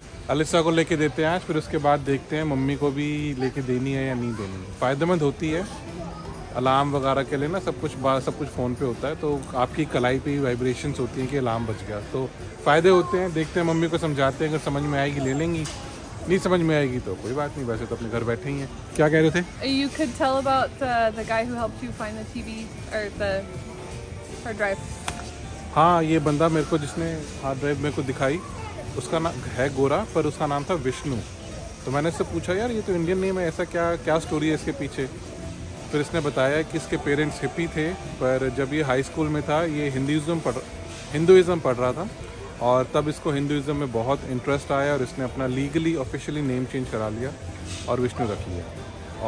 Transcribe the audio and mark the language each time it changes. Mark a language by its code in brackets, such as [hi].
[hi] Alisa को लेके देते हैं आज, फिर उसके बाद देखते हैं मम्मी को भी लेके देनी है या नहीं देनी है। फायदेमंद होती है। अलार्म वगैरह के लिए ना सब कुछ फ़ोन पे होता है, तो आपकी कलाई पे ही वाइब्रेशंस होती हैं कि अलार्म बज गया, तो फ़ायदे होते हैं। देखते हैं, मम्मी को समझाते हैं, अगर समझ में आएगी ले लेंगी, नहीं समझ में आएगी तो कोई बात नहीं, वैसे तो अपने घर बैठे ही हैं। क्या कह रहे थे? [en] You could tell about the guy who helped you find the TV or the hard drive. [hi] हाँ, ये बंदा मेरे को जिसने हार्ड ड्राइव मेरे को दिखाई, उसका नाम है गोरा पर उसका नाम था विष्णु। तो मैंने इससे पूछा, यार ये तो इंडियन नेम है, ऐसा क्या क्या स्टोरी है इसके पीछे? फिर इसने बताया कि इसके पेरेंट्स हिप्पी थे, पर जब ये हाई स्कूल में था ये हिंदुइज्म पढ़ रहा था, और तब इसको हिंदुइज्म में बहुत इंटरेस्ट आया और इसने अपना लीगली ऑफिशियली नेम चेंज करा लिया और विष्णु रख लिया।